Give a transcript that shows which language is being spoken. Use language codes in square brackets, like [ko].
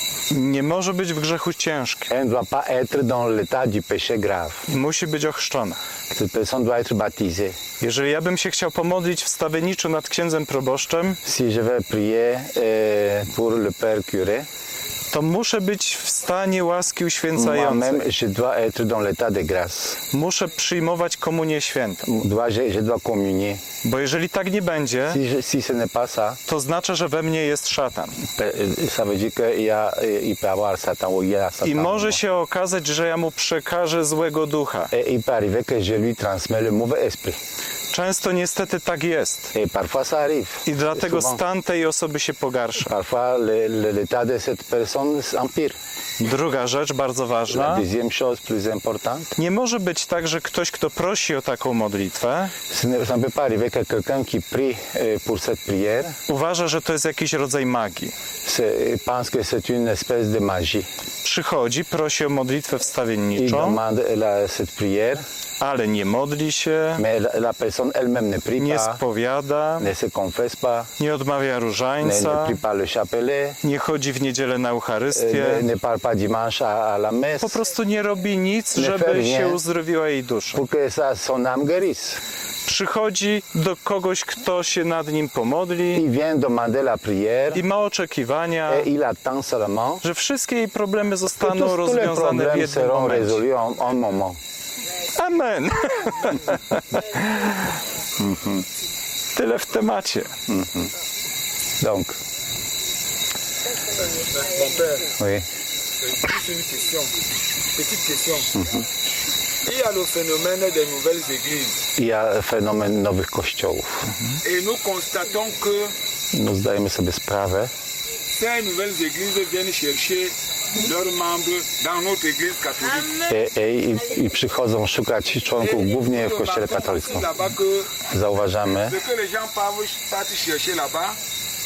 [pl] Nie może być w grzechu ciężkim. [fr] Elle doit pas être dans l'état du péché grave. [pl] Musi być ochrzczona. [fr] Cette personne doit être baptisée. [pl] Jeżeli ja bym się chciał pomodlić wstawienniczo nad księdzem proboszczem, [fr] si je veux prier pour le père curé, [pl] to muszę być w stanie łaski uświęcającej. [fr] Moi-même, je dois être dans l'état de grâce. [pl] Muszę przyjmować komunię świętą. [fr] Je dois communier. [pl] Bo jeżeli tak nie będzie, [fr] si ce n'est pas ça, [pl] to znaczy, że we mnie jest szatan. [fr] Ça veut dire que il peut avoir Satan, ou il y a Satan. [pl] I może się okazać, że ja mu przekażę złego ducha. [fr] Il peut arriver que je lui transmets le mauvais esprit. [pl] Często niestety tak jest. [fr] Et parfois ça arrive. [pl] I dlatego stan tej osoby się pogarsza. [fr] Parfois l'état de cette personne s'empire. [pl] Druga rzecz bardzo ważna. [fr] La deuxième chose plus importante. [pl] Nie może być tak, że ktoś, kto prosi o taką modlitwę, [fr] ça peut pas arriver que quelqu'un qui prie pour cette prière, [pl] uważa, że to jest jakiś rodzaj magii. [fr] Pense que c'est une espèce de magie. [pl] Przychodzi, prosi o modlitwę wstawienniczą. [fr] Il demande la cette prière. [pl] Ale nie modli się. [fr] Mais la personne elle-même ne prie pas. [pl] Nie spowiada. [fr] Ne se confesse pas. [pl] Nie odmawia różańca. [fr] Ne prie pas le chapelet. [pl] Nie chodzi w niedzielę na Eucharystię. [fr] Ne parle pas dimanche à la messe. [pl] Po prostu nie robi nic, żeby się uzdrowiła jej dusza. [fr] Pour que ça son âme guérisse. [pl] Przychodzi do kogoś, kto się nad nim pomodli. [fr] Il vient demander la prière. [pl] I ma oczekiwania. [fr] Et il attend seulement. [pl] Że wszystkie jej problemy zostaną rozwiązane w jednym momencie. [fr] Tous les problèmes seront résolus en moment. [pl] Amen. Tyle w temacie. [fr] Donc. Mon père. Oui. Juste une question. Petite question. Il y a le phénomène des nouvelles églises. Il y a le phénomène [pl] nowych kościołów. [fr] Et nous constatons que. Nous [pl] zdajemy sobie sprawę. [fr] Ces nouvelles églises viennent chercher leurs membres dans notre église catholique. [pl] I przychodzą szukać członków głównie w kościele katolickim. Zauważamy. [fr] Ce que les gens partent chercher là-bas.